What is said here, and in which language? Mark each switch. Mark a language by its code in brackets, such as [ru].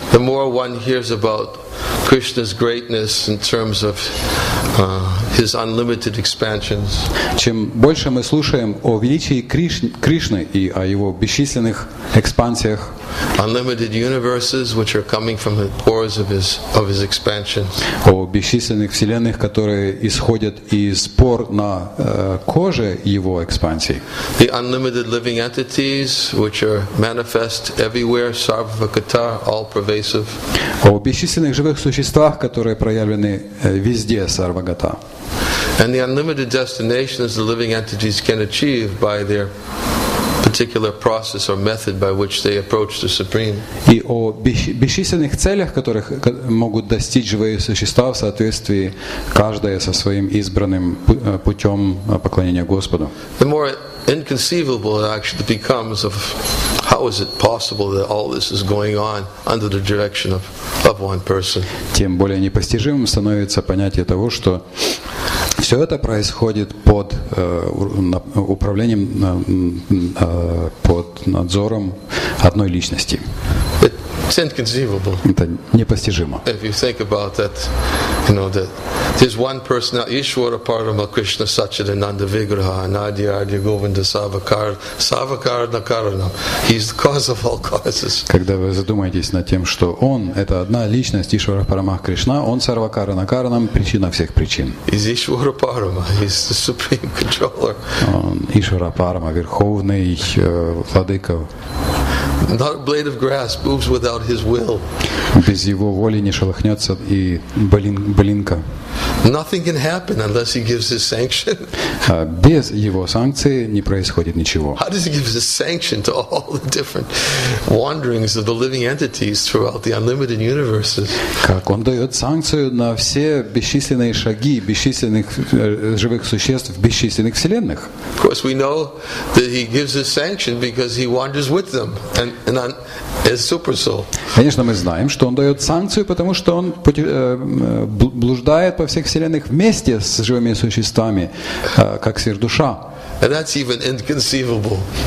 [en] The more one hears about Krishna's greatness in terms of his unlimited expansions. [ru] Чем больше мы слушаем о величии Кришны и о его бесчисленных экспансиях, [en] unlimited universes which are coming from the pores of his expansions. [ru] О бесчисленных вселенных, которые исходят из пор на коже его экспансии. [en] The unlimited living entities which are manifest everywhere, sarvakata, all pervasive. [ru] О бесчисленных живых существах, которые проявлены везде, сарвагата. [en] And the unlimited destinations the living entities can achieve by their particular process or method by which they approach the Supreme. [ru] И о бесчисленных целях, которых могут достичь живые существа в соответствии каждая со своим избранным путем поклонения Господу. [en] The more inconceivable it actually becomes of how is it possible that all this is going on under the direction of one person. [ru] Тем более непостижимым становится понятие того, что все это происходит под управлением, под надзором одной личности. [en] It's inconceivable. [ru] Это непостижимо. [en] If you think about that, you know that there's one person, [sa] Ishwara Parama Krishna Sachidananda Vigraha, Anadi Adi Govinda Savakar, Savakar Nakaranam. [en] He's the cause of all causes. [ru] Когда вы задумаетесь над тем, что он это одна личность, Ишвара Парама Кришна, он Савакар Накаранам, причина всех причин. [en] He's Ishwara Parama, he's the supreme controller. [ru] Он Ишвара Парама, верховный владыка. [en] Not a blade of grass moves without his will. [ru] Без его воли не шелохнется и блинка. [en] Nothing can happen unless he gives his sanction. [ru] Без его санкции не происходит ничего. [en] How does he give his sanction to all the different wanderings of the living entities throughout the unlimited universes? [ru] Как он дает санкцию на все бесчисленные шаги бесчисленных живых существ в бесчисленных вселенных? [en] Of course, we know that he gives his sanction because he wanders with them and as super soul. [ru] Конечно, мы знаем, что он дает санкцию, потому что он блуждает по всех вселенных вместе с живыми существами, как сверхдуша. [en] And that's even inconceivable.